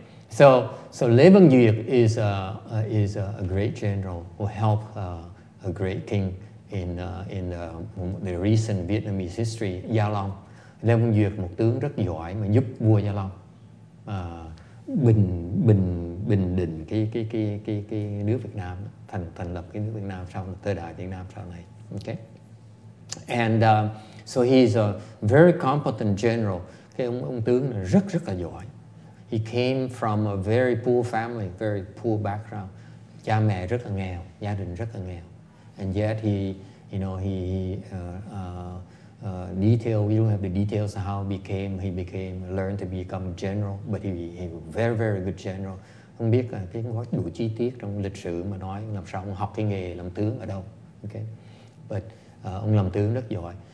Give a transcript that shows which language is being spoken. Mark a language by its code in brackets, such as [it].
[en] So Lê Văn Duyệt is a great general who helped a great king in the recent Vietnamese history, Gia Long. [vi] Lê Văn Duyệt một tướng rất giỏi mà giúp vua Gia Long bình định cái nước Việt Nam, thành lập cái nước Việt Nam sau thời đại Việt Nam sau này. [en] Okay. So he's a very competent general. [vi] Cái ông tướng này rất rất là giỏi. [en] He came from a very poor family, very poor background. [vi] Cha mẹ rất là nghèo, gia đình rất là nghèo. [en] And yet you don't have the details how he learned to become a general, but he was very very good general. [vi] Không biết là cái có đủ chi tiết trong lịch sử mà nói làm sao ông học cái nghề làm tướng ở đâu. Okay. But ông làm tướng rất giỏi.